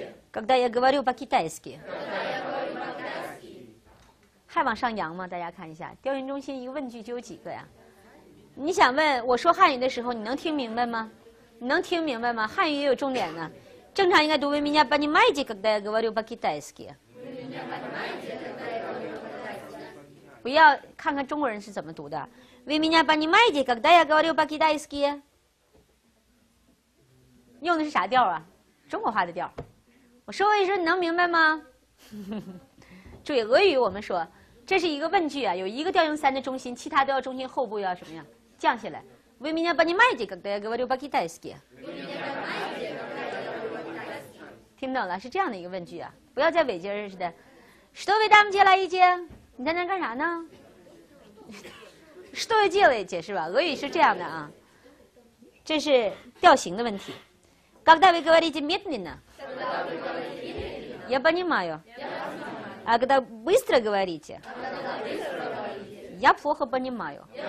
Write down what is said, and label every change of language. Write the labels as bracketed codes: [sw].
[ru] Когда я говорю по-китайски. [zh] 还往上扬吗？大家看一下，调研中心一个问句就有几个呀？你想问我说汉语的时候，你能听明白吗？你能听明白吗？汉语也有重点呢。正常应该读 [ru] Вы меня понимаете, когда я говорю по-китайски? [zh] 不要看看中国人是怎么读的。 [ru] Вы меня понимаете, когда я говорю по-китайски? [zh] 用的是啥调啊？中国话的调。我说一说，你能明白吗？注意俄语，我们说这是一个问句啊，有一个调用三的中心，其他都要中心后部要什么样降下来。 [ru] Вы меня понимаете, когда я говорю по-китайски？ [zh] 听懂了，是这样的一个问句啊，不要再伪劲儿似的。 [ru] Что вы там делаете？ [zh] 你在那干啥呢？ [ru] Что вы делаете？ [zh] 是吧？俄语是这样的啊，这是调型的问题。 [ru] Когда вы говорите медленно, я понимаю. А когда быстро говорите, я плохо понимаю.